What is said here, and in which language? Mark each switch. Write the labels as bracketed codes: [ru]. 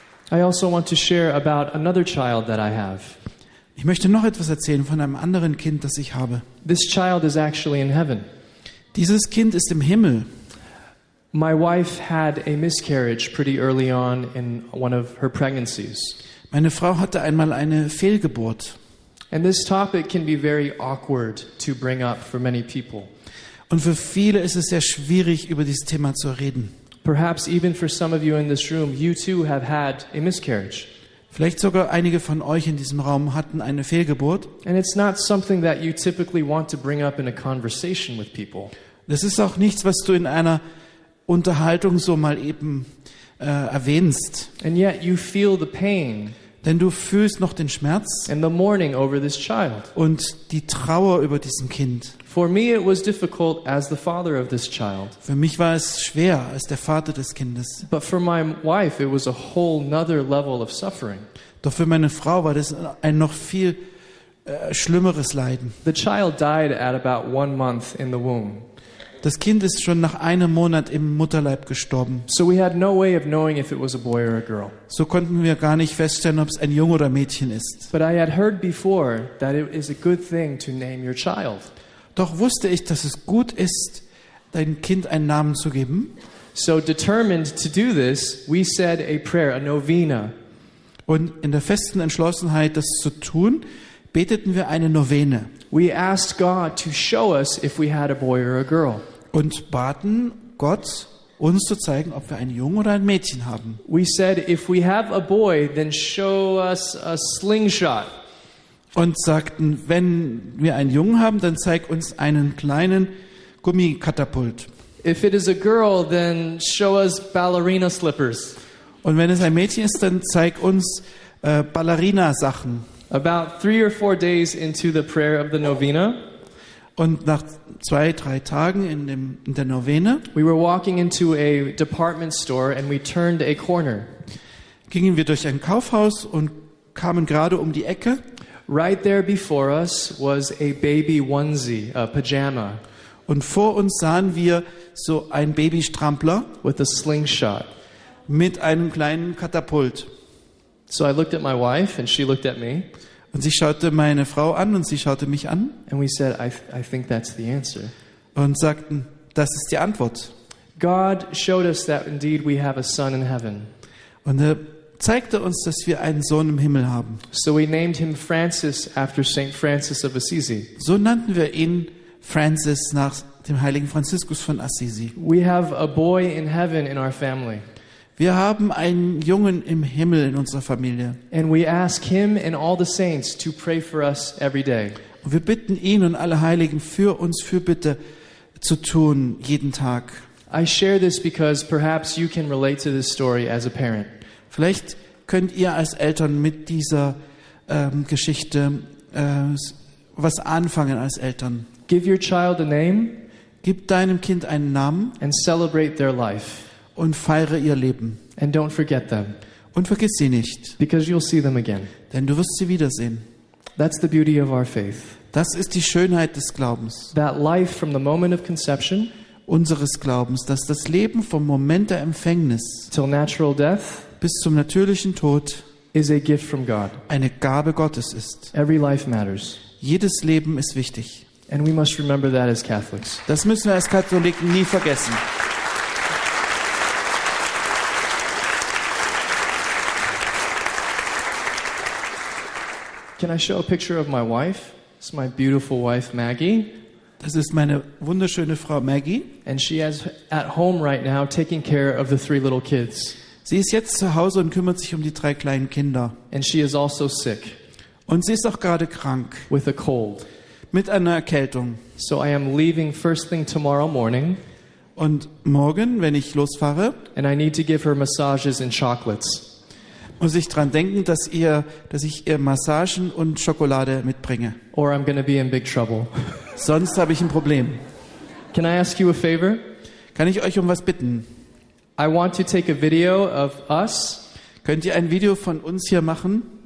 [en] I also want to share about another child that I have. [de] Ich möchte noch etwas erzählen von einem anderen Kind, das ich habe. [en] This child is actually in heaven. [de] Dieses Kind ist im Himmel. [en] My wife had a miscarriage pretty early on in one of her pregnancies. [de] Meine Frau hatte einmal eine Fehlgeburt. [en] And this topic can be very awkward to bring up for many people. [de] Und für viele ist es sehr schwierig, über dieses Thema zu reden. [en] Perhaps even for some of you in this room, you too have had a miscarriage. [de] Vielleicht sogar einige von euch in diesem Raum hatten eine Fehlgeburt. [en] And it's not something that you typically want to bring up in a conversation with people. [de] Das ist auch nichts, was du in einer Unterhaltung so mal eben erwähnst. [en] And yet you feel the pain. [de] Denn du fühlst noch den Schmerz [en] and the mourning over this child. [de] Und die Trauer über diesem Kind. [en] For me it was difficult as the father of this child. [de] Für mich war es schwer als der Vater des Kindes. [en] But for my wife it was a whole nother level of suffering. [de] Doch für meine Frau war das ein noch viel schlimmeres Leiden. [en] The child died at about 1 month in the womb. [de] Das Kind ist schon nach einem Monat im Mutterleib gestorben. [en] So we had no way of knowing if it was a boy or a girl. [de] So konnten wir gar nicht feststellen, ob es ein Junge oder Mädchen ist. [en] But I had heard before that it is a good thing to name your child. [de] Doch wusste ich, dass es gut ist, dein Kind einen Namen zu geben. [en] So determined to do this, we said a prayer, a novena. [de] Und in der festen Entschlossenheit, das zu tun, beteten wir eine Novene. [en] We asked God to show us if we had a boy or a girl. [de] Und baten Gott, uns zu zeigen, ob wir einen Jungen oder ein Mädchen haben. [en] We said, if we have a boy, then show us a slingshot. [de] Und sagten, wenn wir einen Jungen haben, dann zeig uns einen kleinen Gummikatapult. [en] If it is a girl, then show us ballerina slippers. [de] Und wenn es ein Mädchen ist, dann zeig uns Ballerina-Sachen. [en] About 3 or 4 days into the prayer of the novena, [de] und nach 2-3 Tagen in der Novene, [en] we were walking into a department store and we turned a corner. [de] Gingen wir durch ein Kaufhaus und kamen gerade um die Ecke. [en] Right there before us was a baby onesie, a pajama. [de] Und vor uns sahen wir so ein Babystrampler [en] with a slingshot, [de] mit einem kleinen Katapult. [en] So I looked at my wife and she looked at me. [de] Und sie schaute meine Frau an und sie schaute mich an. [en] And we said, I think that's the answer. [de] Und sagten, das ist die Antwort. [en] God showed us that indeed we have a son in heaven. [de] Und er zeigte uns, dass wir einen Sohn im Himmel haben. [en] So we named him Francis after Saint Francis of Assisi. [de] So nannten wir ihn Francis nach dem heiligen Franziskus von Assisi. [en] We have a boy in heaven in our family. [de] Wir haben einen Jungen im Himmel in unserer Familie. [en] And we ask him and all the saints to pray for us every day. [de] Und wir bitten ihn und alle Heiligen für uns Fürbitte zu tun jeden Tag. [en] I share this because perhaps you can relate to this story as a parent. [de] Vielleicht könnt ihr als Eltern mit dieser Geschichte was anfangen als Eltern. [en] Give your child a name. [de] Gib deinem Kind einen Namen. [en] And celebrate their life. [de] Und feiere ihr Leben. [en] And don't forget them. [de] Und vergiss sie nicht. [en] Because you'll see them again. [de] Denn du wirst sie wiedersehen. [en] That's the beauty of our faith. [de] Das ist die Schönheit des Glaubens. [en] That life from the moment of conception, [de] unseres Glaubens, dass das Leben vom Moment der Empfängnis [en] till natural death, [de] bis zum natürlichen Tod [en] is a gift from God. [de] Eine Gabe Gottes ist. [en] Every life matters. [de] Jedes Leben ist wichtig. [en] And we must remember that as Catholics. [de] Das müssen wir als Katholiken nie vergessen. [en] Can I show a picture of my wife? It's my beautiful wife Maggie. [de] Das ist meine wunderschöne Frau Maggie. [en] And she is at home right now taking care of the 3 little kids. [de] Sie ist jetzt zu Hause und kümmert sich um die 3 kleinen Kinder. [en] And she is also sick. [de] Und sie ist auch gerade krank. [en] With a cold. [de] Mit einer Erkältung. [en] So I am leaving first thing tomorrow morning. [de] Und morgen, wenn ich losfahre, [en] and I need to give her massages and chocolates. [de] Muss ich dran denken, dass ich ihr Massagen und Schokolade mitbringe. [en] Or I'm gonna be in big trouble. [de] Sonst habe ich ein Problem. [en] Can I ask you a favor? [de] Kann ich euch um was bitten? [en] I want to take a video of us. [de] Könnt ihr ein Video von uns hier machen?